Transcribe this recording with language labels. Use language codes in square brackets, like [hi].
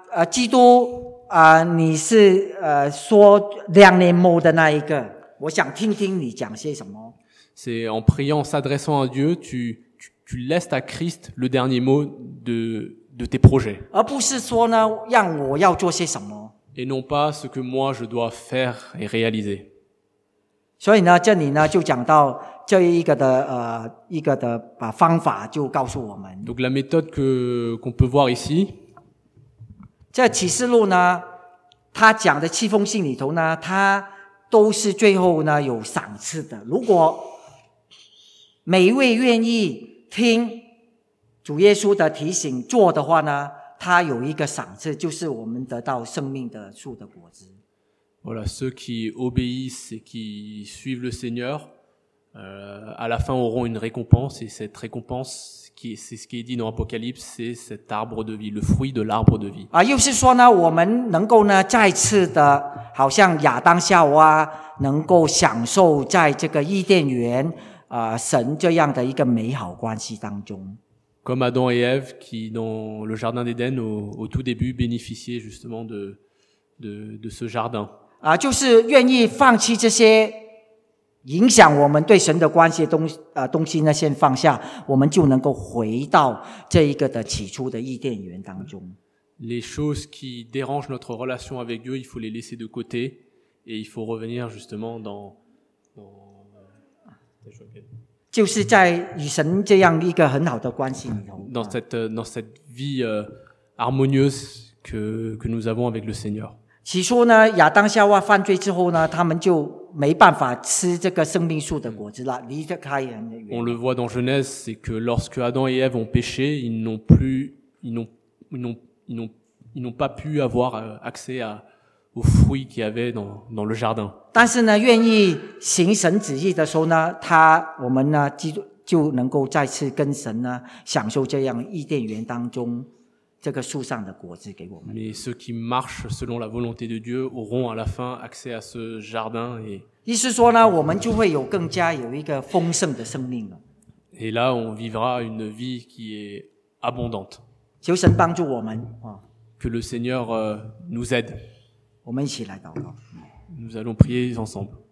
[zh] 基督。你是说两年末的那一个，我想听听你讲些什么。 [fr] C'est en priant, en s'adressant à Dieu, tu laisses à Christ le dernier mot de tes projets. [zh] 而不是说呢，让我要做些什么。 [fr] Et non pas ce que moi je dois faire et réaliser. [zh] 所以呢，这里呢就讲到这一个的一个的把方法就告诉我们。 [fr] Donc la méthode qu'on peut voir ici. [zh] 这启示录呢，他讲的七封信里头呢，他都是最后呢有赏赐的。如果每一位愿意听主耶稣的提醒做的话呢，他有一个赏赐，就是我们得到生命的树的果子。 [fr] Voilà, ceux qui obéissent et qui suivent le Seigneur, à la fin auront une récompense, et cette récompense, c'est ce qui est dit dans Apocalypse, c'est cet arbre de vie, le fruit de l'arbre de vie. [zh] 啊，又是说呢，我们能够呢再次的，好像亚当夏娃能够享受在这个伊甸园啊神这样的一个美好关系当中。 [fr] Comme Adam et Ève qui dans le jardin d'Éden au tout début bénéficiaient justement de ce jardin. [zh] 啊，就是愿意放弃这些影响我们对神的关系的东西呢，先放下，我们就能够回到这一个的起初的伊甸园当中。 [fr] Les choses qui dérangent notre relation avec Dieu, il faut les laisser de côté et il faut revenir justement dans [zh] 就是在与神这样一个很好的关系里头。 [fr] Dans cette vie harmonieuse que nous avons avec le Seigneur. [zh] 起初呢，亚当夏娃犯罪之后呢，他们就没办法吃这个生命树的果子了，离开人的缘。 [fr] On le voit dans Genèse, c'est que lorsque Adam et Ève ont péché, ils n'ont pas pu avoir accès aux fruits qu'il y avait dans le jardin. [zh] 但是呢，愿意行神旨意的时候呢，我们呢就能够再次跟神呢享受这样伊甸园当中这个树上的果子给我们。 [fr] Mais ceux qui marchent selon la volonté de Dieu auront à la fin accès à ce jardin et. [zh] 意思说呢，我们就会有更加有一个丰盛的生命了。 [fr] Et là, on vivra une vie qui est abondante. [zh] 求神帮助我们啊。 [fr] Que le Seigneur nous aide. [zh] 我们一起来祷告。 [fr] Nous allons prier ensemble.